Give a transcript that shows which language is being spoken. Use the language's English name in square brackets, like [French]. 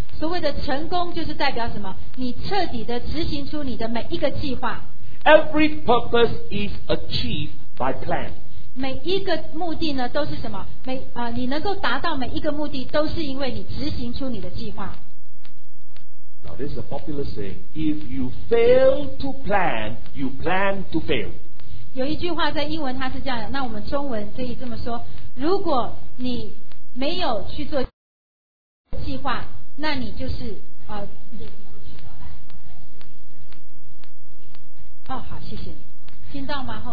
[Chinese] 所谓的成功就是代表什么？你彻底的执行出你的每一个计划。 [English] Every purpose is achieved by plan. [Chinese] 每一个目的呢都是什么？你能够达到每一个目的，都是因为你执行出你的计划。 [English] Now this is a popular saying: If you fail to plan, you plan to fail. [Chinese] 有一句话在英文它是这样的，那我们中文可以这么说：如果你没有去做计划，那你就是哦，好，谢谢你，听到吗？